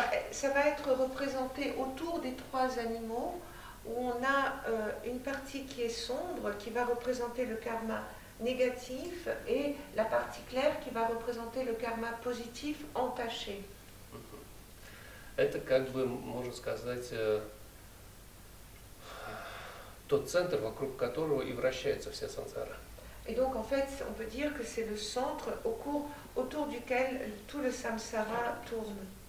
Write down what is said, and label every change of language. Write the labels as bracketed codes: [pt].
[fr] Ça va être représenté autour des trois animaux. Où on a une partie qui est sombre, qui va représenter le karma négatif, et la partie claire qui va représenter le karma positif entaché. [ru] Это как бы можно сказать тот центр, вокруг которого и вращается вся сансара. [fr] Et donc en fait, on peut dire que c'est le centre autour duquel tout le samsara tourne.